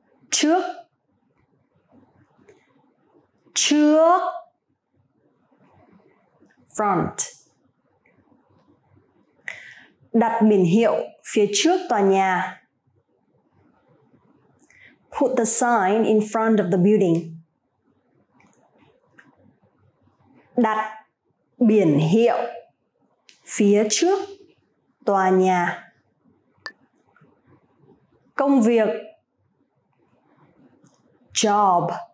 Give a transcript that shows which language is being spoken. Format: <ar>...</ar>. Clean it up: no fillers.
<vi>Trước. Trước.</vi> <en>Front.</en> <vi>Đặt biển hiệu phía trước tòa nhà.</vi> <en>Put the sign in front of the building.</en> <vi>Đặt biển hiệu phía trước tòa nhà. Công việc.</vi> <en>Job.</en>